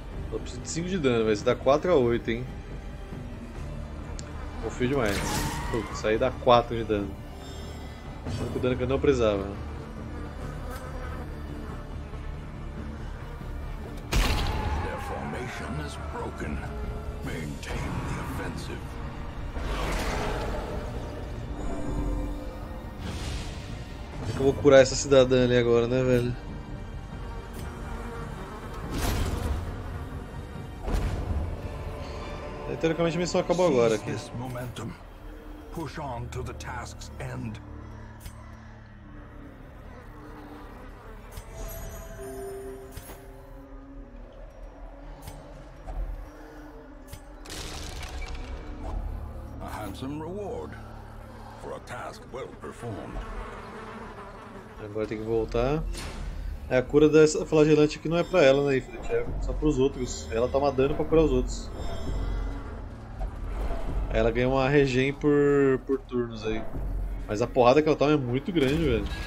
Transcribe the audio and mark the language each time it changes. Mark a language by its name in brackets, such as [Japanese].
[Portuguese] Só preciso de 5 de dano, velho. Isso dá 4 a 8, hein. Confio demais. Putz, isso aí dá 4 de dano. Foi o dano que eu não precisava. [English] Their formation is broken. Maintain the offensive. [Portuguese] Que eu vou curar essa cidadã ali agora, né, velho? E, teoricamente a missão acabou agora aqui. [English] Push on to the task's end. A handsome reward for a task well performed. [Portuguese] Agora tem que voltar. É, a cura dessa flagelante aqui não é pra ela, né? É só pros outros. Ela toma dano pra curar os outros. Ela ganha uma regen por turnos aí. Mas a porrada que ela toma é muito grande, velho.